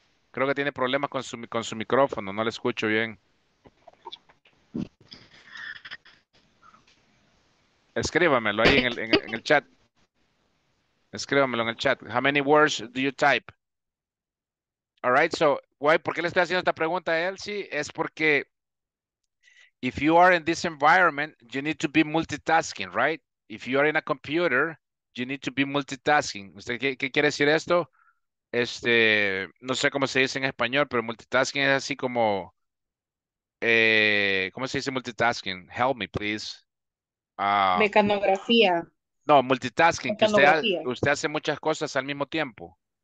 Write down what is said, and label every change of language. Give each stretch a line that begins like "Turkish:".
Spanish: Creo que tiene problemas con su micrófono, no le escucho bien. Escríbamelo ahí en el chat. Escríbamelo en el chat.
English: How many words do you type? All right, so why?
Spanish: ¿Por qué le estoy haciendo esta pregunta a Elsie?
English: Es porque if you are in this environment, you need to be multitasking, right? If you are in a computer, you need to be multitasking.
Spanish: ¿Usted qué quiere decir esto? No sé cómo se dice en español, pero multitasking es así como... ¿cómo se dice multitasking? Help me, please. Mecanografía. No, multitasking, que usted hace muchas cosas al mismo tiempo.